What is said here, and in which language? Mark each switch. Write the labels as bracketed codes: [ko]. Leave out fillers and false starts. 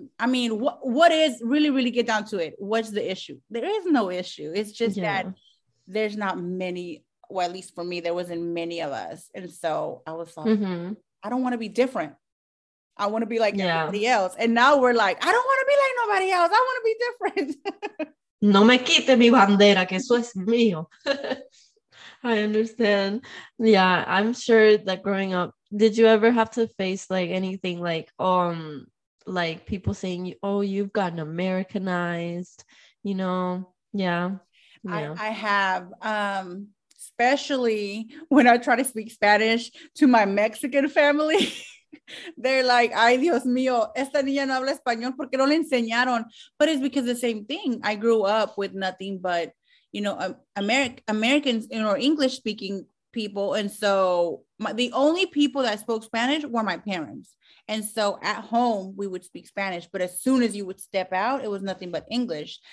[en] I mean, what is really, really get down to it? What's the issue? There is no issue. It's just yeah. that there's not many, well, at least for me, there wasn't many of us. And so I was like, mm-hmm. I don't want to be different. I want to be like yeah. everybody else. And now we're like, I don't want to be like nobody else. I want to be different. [es] No me quite mi bandera, que eso es mío. [en] I understand. Yeah, I'm sure that growing up, did you ever have to face like anything like people saying, oh, you've gotten Americanized, you know? Yeah. I have, especially when I try to speak Spanish to my Mexican family. They're like, [es] ay, Dios mío, esta niña no habla español porque no le enseñaron. [en] But it's because the same thing. I grew up with nothing but, you know, Americans, you know, English speaking people. And so the only people that spoke Spanish were my parents. And so at home, we would speak Spanish. But as soon as you would step out, it was nothing but English.